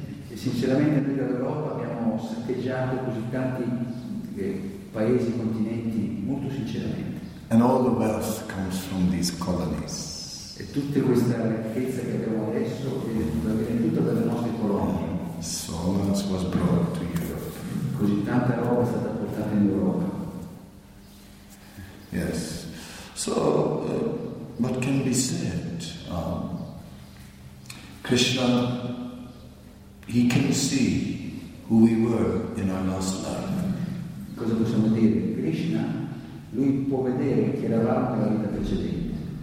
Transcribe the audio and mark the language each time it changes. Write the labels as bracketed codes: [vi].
[it] E sinceramente noi dall'Europa abbiamo saccheggiato così tanti paesi, continenti, molto sinceramente. [en] And all the wealth comes from these colonies. [it] E tutta questa ricchezza che abbiamo adesso viene tutta dalle nostre colonie. [en] So much was brought to Europe. [it] Così tanta roba è stata portata in Europa. [en] Yes. So, what can be said? Krishna, He can see who we were in our last life. [it] Cosa possiamo dire? Krishna, lui può vedere chi eravamo nella vita precedente.